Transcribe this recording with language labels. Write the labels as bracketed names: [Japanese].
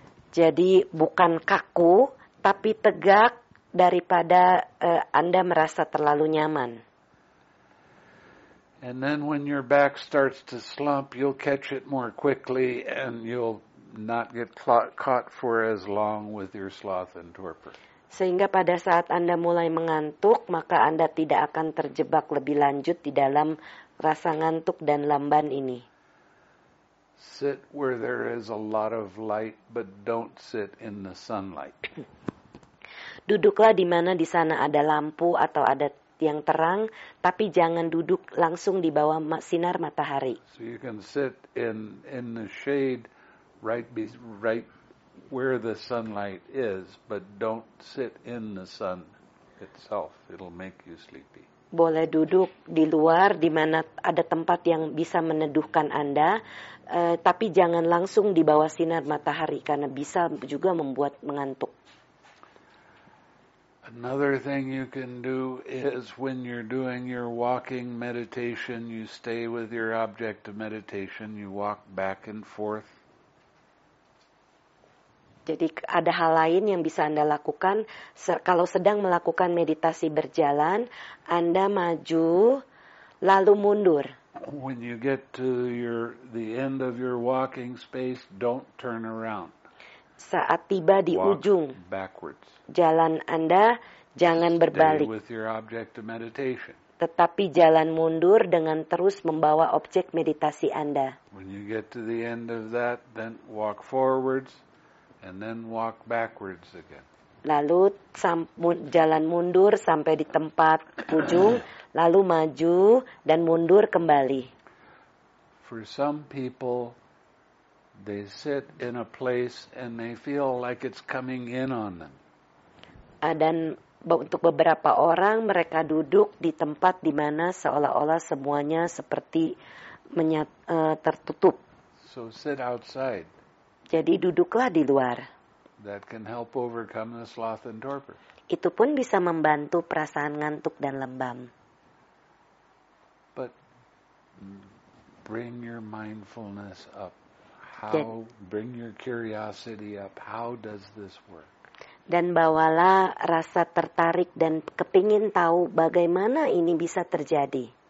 [Indonesian] Jadi bukan kaku, tapi tegak. Daripada Anda merasa terlalu nyaman. [English] And then when your back starts to slump, you'll catch it more quickly and you'll not get caught for as long with your sloth and torpor. [Indonesian] Sehingga pada saat Anda mulai mengantuk, maka Anda tidak akan terjebak lebih lanjut di dalam rasa ngantuk dan lamban ini. [English] Sit where there is a lot of light, but don't sit in the sunlight. [Indonesian] Duduklah di mana di sana ada lampu atau ada yang terang, tapi jangan duduk langsung di bawah sinar matahari. [English] So you can sit in the shade right where the sunlight is, but don't sit in the sun itself. It'll make you sleepy. [Indonesian] Boleh duduk di luar di mana ada tempat yang bisa meneduhkan Anda, tapi jangan langsung di bawah sinar matahari karena bisa juga membuat mengantuk. [English] Another thing you can do is when you're doing your walking meditation, you stay with your object of meditation, you walk back and forth. [Indonesian] Jadi ada hal lain yang bisa Anda lakukan, kalau sedang melakukan meditasi berjalan, Anda maju, lalu mundur. [English] When you get to the end of your walking space, don't turn around. [Indonesian] Saat tiba di [English] walk [Indonesian] ujung [English] backwards. [Indonesian] Jalan Anda, jangan [English] stay [Indonesian] berbalik. [English] With your object of meditation. [Indonesian] Tetapi jalan mundur dengan terus membawa objek meditasi Anda. [English] When you get to the end of that, then walk forwards and then walk backwards again. [Indonesian] Lalu jalan mundur sampai di tempat ujung, lalu maju dan mundur kembali. [English] For some people, they sit in a place and they feel like it's coming in on them. [Indonesian] Dan untuk beberapa orang, mereka duduk di tempat di mana seolah-olah semuanya seperti tertutup. [English] So sit outside. [Indonesian] Jadi duduklah di luar. [English] That can help overcome the sloth and torpor. [Indonesian] Itu pun bisa membantu perasaan ngantuk dan lembam. [English] But bring your mindfulness up. How bring your curiosity up? How does this work? [Indonesian] Dan bawalah rasa tertarik dan kepingin tahu bagaimana ini bisa terjadi.